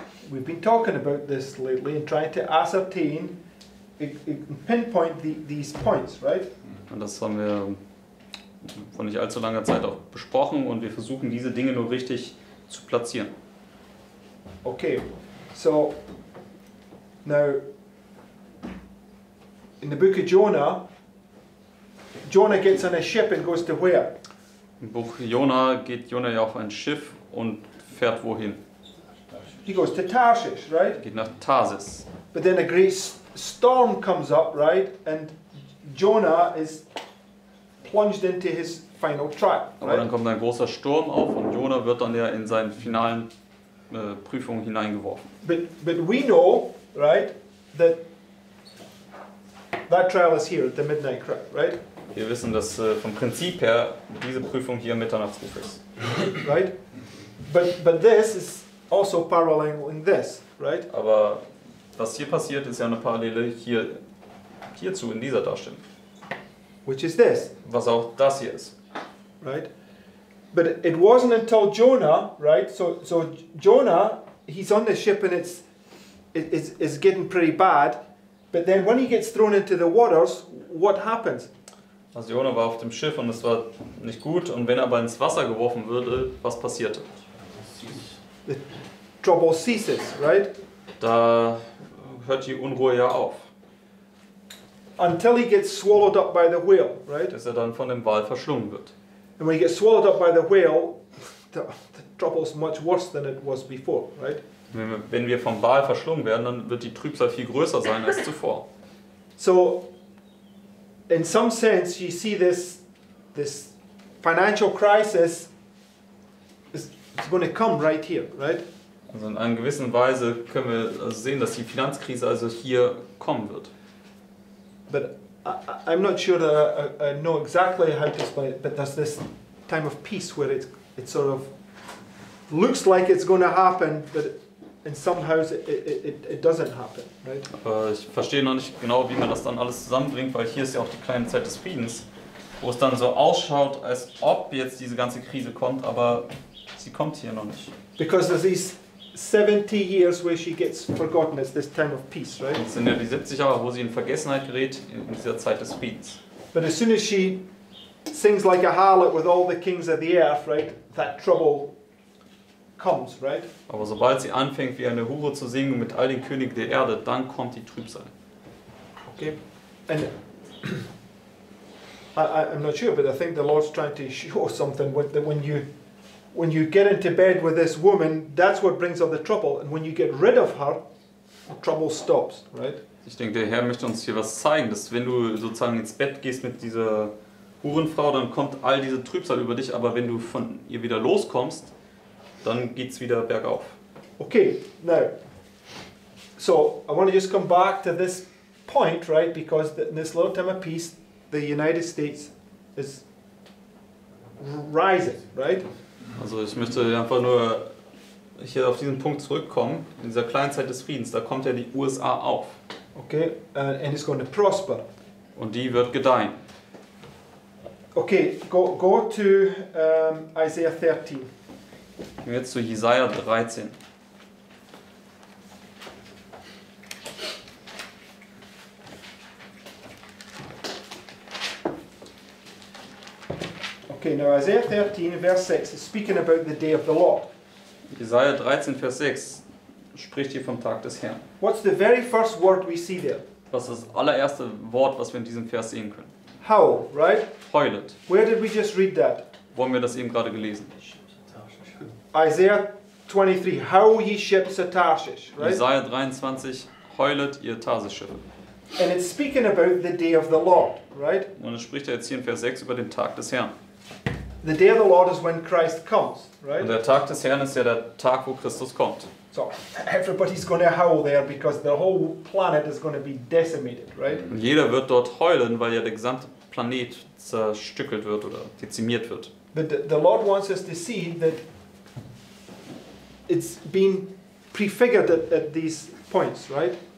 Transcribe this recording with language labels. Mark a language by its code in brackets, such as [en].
[en] We've been talking about this lately and trying to ascertain, pinpoint these points, right? [de] Und das haben wir vor nicht allzu langer Zeit auch besprochen und wir versuchen diese Dinge nur richtig zu platzieren. [en] Okay, so now in the book of Jonah gets on a ship and goes to where? [de] Im Buch Jona geht Jona ja auf ein Schiff und fährt wohin? [en] He goes to Tarshish, right? [de] Geht nach Tarsis. [en] But then a great storm comes up, right? And Jonah is plunged into his final trial. [de] Aber [en] right? [de] Dann kommt ein großer Sturm auf und Jonah wird dann ja in seinen finalen Prüfung hineingeworfen. [en] But we know, right, that that trial is here at the midnight cry, right? [de] Wir wissen, dass vom Prinzip her diese Prüfung hier Mitternachtsruf ist. [en] Right? But this is also paralleling in this, right? [de] Aber was hier passiert, ist ja eine Parallele hierzu in dieser Darstellung. [en] Which is this? [de] Was auch das hier ist. [en] Right? But it wasn't until Jonah, right? So Jonah, he's on the ship and it's getting pretty bad. But then when he gets thrown into the waters, what happens? [de] Also Jonah war auf dem Schiff und es war nicht gut. Und wenn er aber ins Wasser geworfen würde, was passierte? [en] The trouble ceases, right? [de] Da hört die Unruhe ja auf. [en] Until he gets swallowed up by the whale, right? [de] Bis er dann von dem Wal verschlungen wird. [en] And when he gets swallowed up by the whale, the trouble is much worse than it was before, right? [de] Wenn wir vom Wal verschlungen werden, dann wird die Trübsal viel größer sein als zuvor. [en] So, in some sense, you see this financial crisis is going to come right here, right? [de] Also in einer gewissen Weise können wir sehen, dass die Finanzkrise also hier kommen wird. [en] But I'm not sure that I know exactly how to explain it, but there's this time of peace where it sort of looks like it's going to happen, but and somehow it doesn't happen, right? [de] Aber ich verstehe noch nicht genau, wie man das dann alles zusammenbringt, weil hier ist ja auch die kleine Zeit des Friedens, wo es dann so ausschaut, als ob jetzt diese ganze Krise kommt, aber sie kommt hier noch nicht. [en] Because there's these 70 years where she gets forgotten, it's this time of peace, right? [de] Es sind ja die 70 Jahre, wo sie in Vergessenheit gerät, in dieser Zeit des Friedens. [en] But as soon as she sings like a harlot with all the kings of the earth, right, that trouble comes, right? [de] Aber sobald sie anfängt, wie eine Hure zu singen mit all den Königen der Erde, dann kommt die Trübsal. [en] Okay. And I'm not sure, but I think the Lord's trying to show something with that when you get into bed with this woman, that's what brings all the trouble. And when you get rid of her, the trouble stops, right? [de] Ich denke, der Herr möchte uns hier was zeigen, dass wenn du sozusagen ins Bett gehst mit dieser Hurenfrau, dann kommt all diese Trübsal über dich. Aber wenn du von ihr wieder loskommst, dann geht's wieder bergauf. [en] Okay, now, so I want to just come back to this point, right? Because in this little time of peace, the United States is rising, right? [de] Also ich möchte einfach nur hier auf diesen Punkt zurückkommen, in dieser kleinen Zeit des Friedens, da kommt ja die USA auf. [en] Okay, and it's going to prosper. [de] Und die wird gedeihen. [en] Okay, go to Isaiah 13. [de] Gehen wir jetzt zu Jesaja 13. [en] Okay, now Isaiah 13, verse 6, is speaking about the day of the Lord. [de] Jesaja 13, Vers 6 spricht hier vom Tag des Herrn. [en] What's the very first word we see there? [de] Was ist das allererste Wort, was wir in diesem Vers sehen können? [en] Howl, right? [de] Heulet. [en] Where did we just read that? [de] Wo haben wir das eben gerade gelesen? [en] Isaiah 23, howl ye ships of Tarshish, right? [de] Jesaja 23, heulet ihr Tarsisschiffe. [en] And it's speaking about the day of the Lord, right? [de] Und es spricht ja jetzt hier in Vers 6 über den Tag des Herrn. [en] The day of the Lord is when Christ comes, right? [de] Und der Tag des Herrn ist ja der Tag, wo Christus kommt. [en] So everybody's going to howl there because the whole planet is going to be decimated, right? [de] Und jeder wird dort heulen, weil ja der gesamte Planet zerstückelt wird oder dezimiert wird. [en] But the Lord wants us to see that it's been prefigured at these points, right?